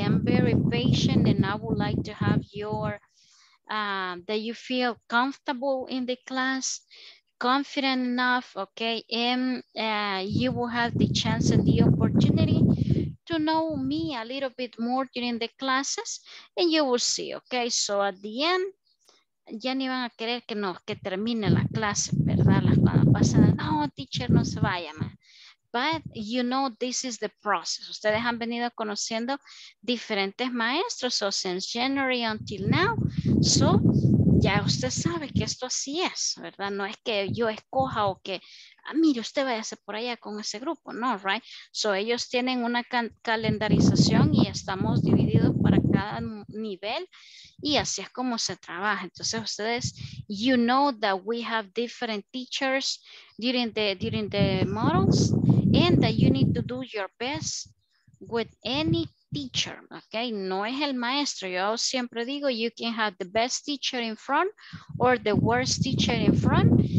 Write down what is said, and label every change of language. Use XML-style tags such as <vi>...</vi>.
<en>I'm very patient and I would like to have your, that you feel comfortable in the class, confident enough, okay? And you will have the chance and the opportunity to know me a little bit more during the classes and you will see, okay? So at the end,</en> <es>ya ni van a querer que, no, que termine la clase, ¿verdad? Las cuando pasan, no, teacher, no se vaya, man.</es> <en>But you know this is the process.</en> <es>Ustedes han venido conociendo diferentes maestros,</es> <en>so since January until now.</en> <es>So ya usted sabe que esto así es, ¿verdad? No es que yo escoja o que, ah, mire, usted váyase por allá con ese grupo. No, right? So ellos tienen una calendarización y estamos divididos para cada nivel y así es como se trabaja. Entonces ustedes,</es> <en>you know that we have different teachers during the models. And that you need to do your best with any teacher, okay?</en> <es>No es el maestro. Yo siempre digo,</es> <en>you can have the best teacher in front or the worst teacher in front.</en>